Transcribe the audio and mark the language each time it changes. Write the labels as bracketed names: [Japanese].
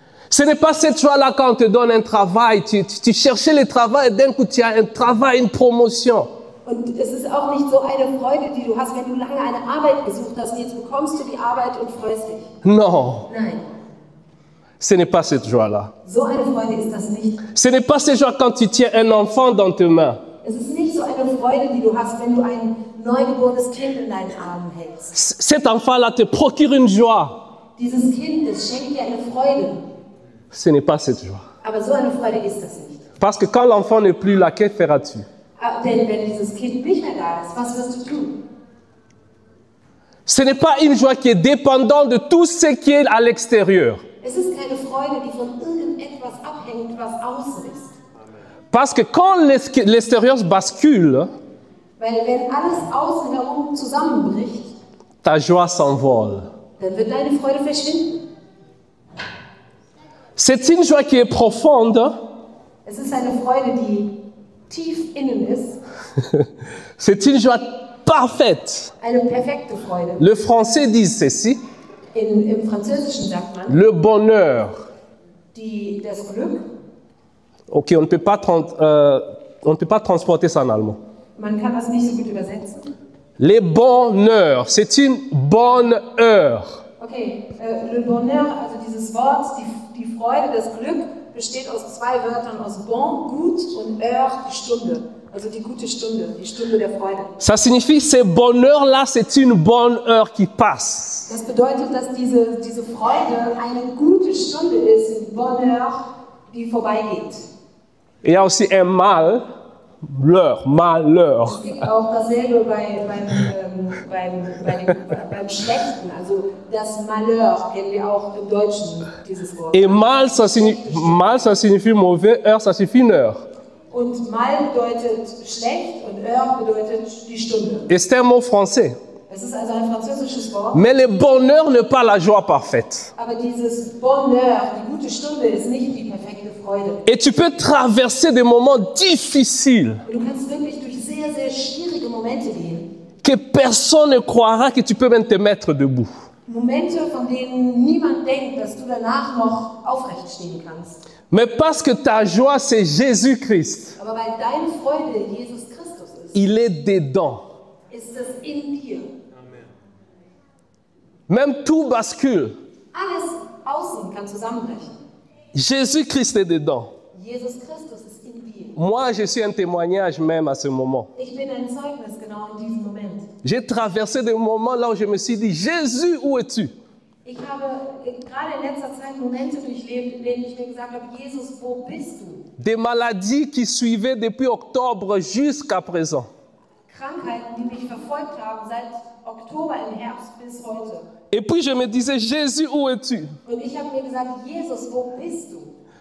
[French] Ce n'est pas cette joie-là quand on te donne un travail, tu cherchais le travail et d'un coup tu as un travail, une promotion. [German] Und es ist auch nicht so eine Freude, die du hast, wenn du lange eine Arbeit gesucht hast, jetzt bekommst du die Arbeit und freust dich. [French] Non. [German] Nein. [French] Ce n'est pas cette joie-là. [German] So eine Freude ist das nicht. [French] Ce n'est pas cette joie quand tu tiens un enfant dans tes mains. [German] Es ist nicht so eine Freude, die du hast, wenn du ein neugeborenes Kind in deinen Armen hältst. [French] Cet enfant-là te procure une joie. [German] Dieses Kind, es schenkt dir eine Freude. [French] Ce n'est pas cette joie. [German] Aber so eine Freude ist das nicht. [French] Parce que quand l'enfant n'est plus là, que feras-tu? [German] Denn wenn dieses Kind nicht mehr da ist, was wirst du tun? [French] Ce n'est pas une joie qui est dépendante de tout ce qui est à l'extérieur. [German] Es ist keine Freude, die von irgendetwas abhängig ist, was im Außen irgendwas auslöst. [French] Parce que quand l'extérieur bascule, [German] weil wenn alles außen herum zusammenbricht, [French] ta joie s'envole. [German] Dann wird deine Freude verschwinden. [French] C'est une joie qui est profonde. [German] Es ist eine Freude, die tief innen ist. [French] C'est une joie parfaite. [German] Eine perfekte Freude. [French] Le français dit ceci. [German] Im Französischen sagt man. [French] Le bonheur. [German] Das Glück. [French] Ok, on ne peut pas transporter ça en allemand. [German] Man kann das nicht so gut übersetzen. [French] Les bonheurs, c'est une bonne heure. [German] Ok, le bonheur, also dieses Wort, die Freude, das Glück, besteht aus zwei Wörtern, aus bon, gut, und heure, die Stunde. Also die gute Stunde, die Stunde der Freude. [French] Ça signifie, ces bonheurs-là, c'est une bonne heure qui passe. [German] Das bedeutet, dass diese Freude eine gute Stunde ist, [French] une bonne heure, [German] die vorbeigeht. [French] Il y a aussi un mal, l'heure, malheur. [German] Es gibt auch dasselbe beim Schlechten, also das Malheur kennen wir auch im Deutschen, dieses Wort. [French] Et mal, ça signifie mauvais, heure, ça signifie une heure. [German] Und mal bedeutet schlecht und heure bedeutet die Stunde. [French] Et c'est un mot français. [German] Es ist also ein französisches Wort. [French] Mais le bonheur n'est pas la joie parfaite. [German] Aber dieses Bonheur, die gute Stunde, ist nicht die perfekte Freude. [French] Et tu peux traverser des moments difficiles. [German] Du kannst wirklich durch sehr, sehr schwierige Momente gehen. [French] Que personne ne croira que tu peux même te mettre debout. [German] Momente, von denen niemand denkt, dass du danach noch aufrecht stehen kannst. [French] Mais parce que ta joie, c'est Jésus-Christ. [German] Aber weil deine Freude Jesus Christus ist. [French] Il est dedans. [German] Ist das in dir. [French] Même tout bascule. [German] Alles außen kann zusammenbrechen. [French] Jésus-Christ est dedans. [German] Jesus Christus ist in dir. [French] Moi, je suis un témoignage même à ce moment. [German] Ich bin ein Zeugnis genau in diesem Moment. [French] J'ai traversé des moments là où je me suis dit, Jésus, où es-tu? [German] Ich habe gerade in letzter Zeit Momente durchlebt, in denen ich mir gesagt habe, Jesus, wo bist du? [French] Des maladies qui suivaient depuis octobre jusqu'à présent. [German] Krankheiten, die mich verfolgt haben seit Oktober im Herbst bis heute. [French] Et puis je me disais, Jésus, où es-tu? [German] Und ich habe mir gesagt, Jesus, wo bist du?